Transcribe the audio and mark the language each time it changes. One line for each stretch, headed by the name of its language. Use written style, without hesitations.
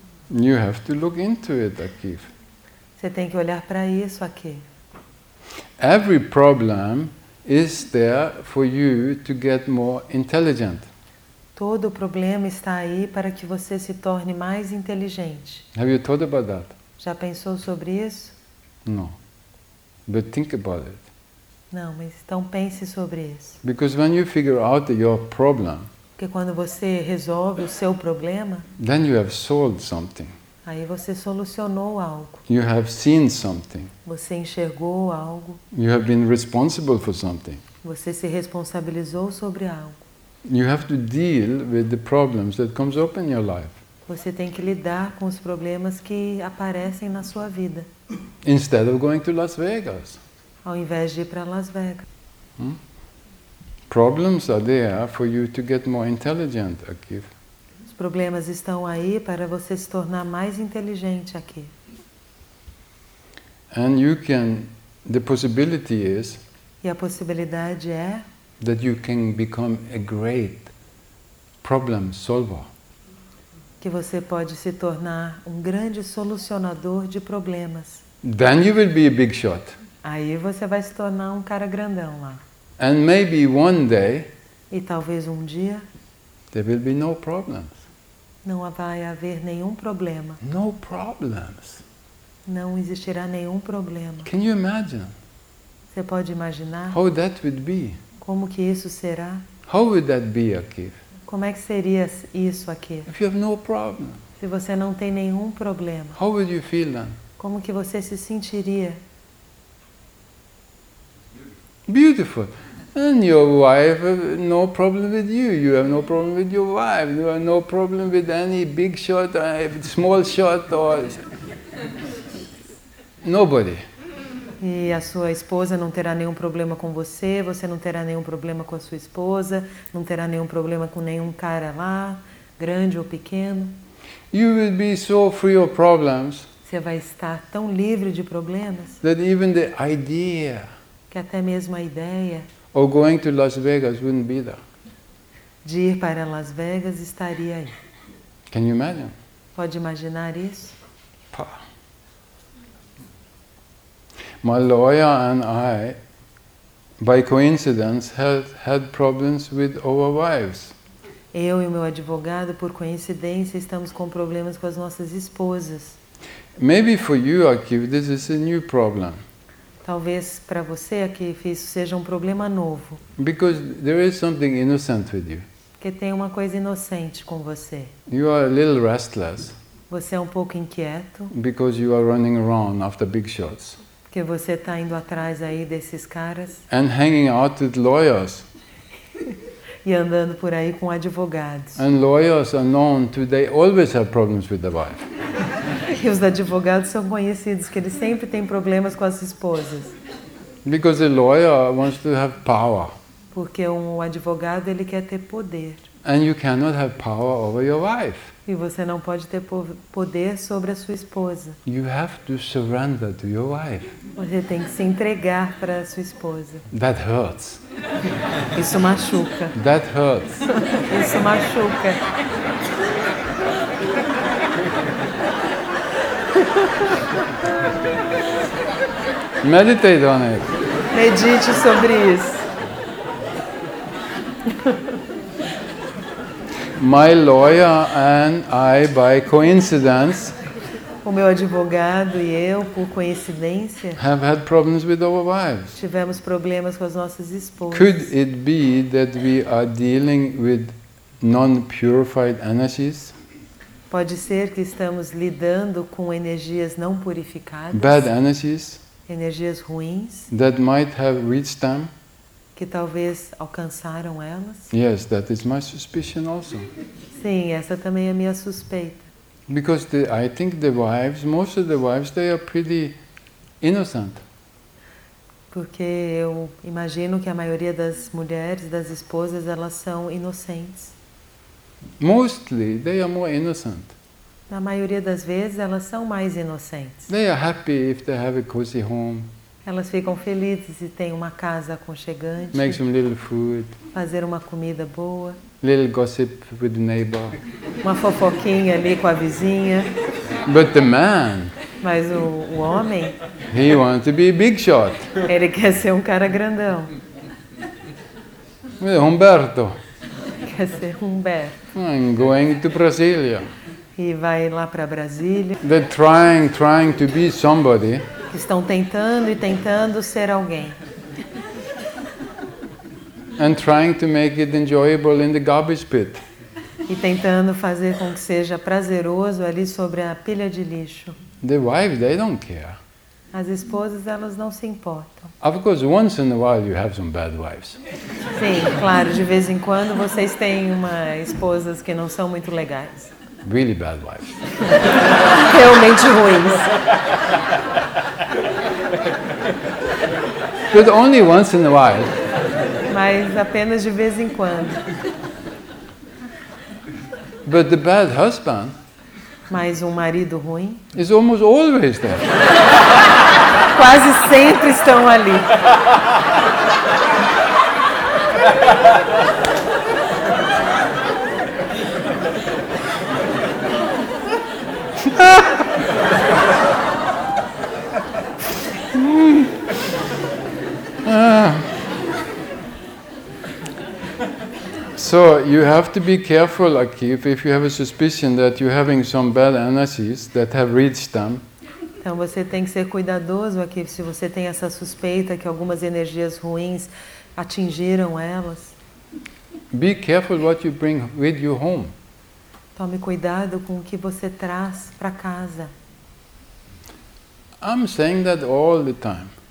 English: You have to look into it, Akif.
Portuguese: Você tem que olhar para isso, Akif.
English: Every problem is there for you to get more intelligent.
Portuguese: Todo problema está aí para que você se torne mais inteligente.
English: Have you thought about that?
Portuguese: Já pensou sobre isso?
English: No. But think about it.
Portuguese: Não, mas então pense sobre isso.
English: Because when you figure out your problem,
Portuguese: porque quando você resolve o seu problema,
English: then you have solved something.
Portuguese: Aí você solucionou algo.
English: You have seen something.
Portuguese: Você enxergou algo.
English: You have been responsible for something.
Portuguese: Você se responsabilizou sobre algo.
English: You have to deal with the problems that comes up in your life.
Portuguese: Você tem que lidar com os problemas que aparecem na sua vida.
English: Instead of going to Las Vegas.
Portuguese: Ao invés de ir para Las Vegas.
English: Problems are there for you to get more intelligent, Akif.
Portuguese: Os problemas estão aí para você se tornar mais inteligente, Akif.
English: And you can, the possibility is,
Portuguese: e a possibilidade é,
English: that you can become a great problem solver.
Portuguese: Que você pode se tornar um grande solucionador de problemas.
English: Then you will be a big shot.
Portuguese: Aí você vai se tornar um cara grandão lá.
English: And maybe one day,
Portuguese: e talvez um dia,
English: there will be no problems.
Portuguese: Não vai haver nenhum problema.
English: No problems.
Portuguese: Não existirá nenhum problema.
English: Can you imagine?
Portuguese: Você pode imaginar?
English: How that would be?
Portuguese: Como que isso será?
English: How would that be, Akif?
Portuguese: Como é que seria isso aqui?
English: If you have no problem.
Portuguese: Se você não tem nenhum problema.
English: How would you feel then?
Portuguese: Como que você se sentiria?
English: Beautiful. And your wife have no problem with you. You have no problem with your wife. You have no problem with any big shot, small shot or nobody.
Portuguese: E a sua esposa não terá nenhum problema com você, você não terá nenhum problema com a sua esposa, não terá nenhum problema com nenhum cara lá, grande ou pequeno.
English: You will be so free of problems.
Portuguese: Você vai estar tão livre de problemas.
English: That even the idea,
Portuguese: que até mesmo a ideia,
English: of going to Las Vegas wouldn't be there.
Portuguese: De ir para Las Vegas estaria aí.
English: Can you imagine?
Portuguese: Pode imaginar isso? Pá.
English: My lawyer and I, by coincidence, had problems with our wives.
Portuguese: Eu e meu advogado, por coincidência, estamos com problemas com as nossas esposas.
English: Maybe for you, Akif, this is a new problem.
Portuguese: Talvez para você, Akif, isso seja um problema novo.
English: Because there is something innocent with you.
Portuguese: Porque tem uma coisa inocente com você.
English: You are a little restless.
Portuguese: Você é um pouco inquieto.
English: Because you are running around after big shots.
Portuguese: Que você está indo atrás aí desses caras.
English: And hanging out with lawyers.
Portuguese: E andando por aí com advogados.
English: And lawyers are known to, they always have problems with the wife.
Portuguese: E os advogados são conhecidos que eles sempre têm problemas com as esposas.
English: Because the lawyer wants to have power.
Portuguese: Porque um advogado ele quer ter poder.
English: And you cannot have power over your wife.
Portuguese: E você não pode ter poder sobre a sua esposa.
English: You have to surrender to your wife.
Portuguese: Você tem que se entregar para a sua esposa.
English: That hurts.
Portuguese: Isso machuca.
English: That hurts.
Portuguese: Isso machuca.
English: Meditate on it.
Portuguese: Medite sobre isso.
English: My lawyer and I, by coincidence,
Portuguese: o meu advogado e eu, por coincidência,
English: have had problems with our wives.
Portuguese: Tivemos problemas com as nossas esposas.
English: Could it be that we are dealing with non-purified energies?
Portuguese: Pode ser que estamos lidando com energias não purificadas.
English: Bad energies.
Portuguese: Energias ruins.
English: That might have reached them.
Portuguese: Que talvez alcançaram elas.
English: Yes, that is my suspicion also.
Portuguese: Sim, essa também é minha suspeita.
English: Because the, I think the wives, most of the wives, they are pretty innocent.
Portuguese: Porque eu imagino que a maioria das mulheres, das esposas, elas são inocentes.
English: Mostly, they are more innocent.
Portuguese: Na maioria das vezes, elas são mais inocentes.
English: They are happy if they have a cozy home.
Portuguese: Elas ficam felizes e têm uma casa aconchegante.
English: Make some little food.
Portuguese: Fazer uma comida boa.
English: little gossip with the neighbor.
Portuguese: Uma fofoquinha ali com a vizinha.
English: But the man.
Portuguese: Mas o homem.
English: He wants to be a big shot.
Portuguese: Ele quer ser um cara grandão.
English: Humberto.
Portuguese: Quer ser Humberto.
English: I'm going to Brasília.
Portuguese: E vai lá para Brasília.
English: They're trying to be somebody.
Portuguese: Estão tentando e tentando ser alguém.
English: And trying to make it enjoyable in the garbage pit.
Portuguese: E tentando fazer com que seja prazeroso ali sobre a pilha de lixo.
English: The wives, they don't care.
Portuguese: As esposas, elas não se importam.
English: Of course, once in a while you have some bad wives.
Portuguese: Sim, claro, de vez em quando vocês têm uma esposas que não são muito legais.
English: Really bad wives.
Portuguese: Realmente ruins.
English: But only once in a while.
Portuguese: Mas apenas de vez em quando.
English: But the bad husband.
Portuguese: Mas um marido ruim.
English: Is almost always there.
Portuguese: Quase sempre estão ali.
English: So you have to be careful, Akif, if you have a suspicion that you're having some bad energies that have reached them.
Portuguese: Então você tem que ser cuidadoso, Akif, se você tem essa suspeita que algumas energias ruins atingiram elas.
English: Be careful what you bring with you home.
Portuguese: Tome cuidado com o que você traz para casa.
English: I'm saying that all the time.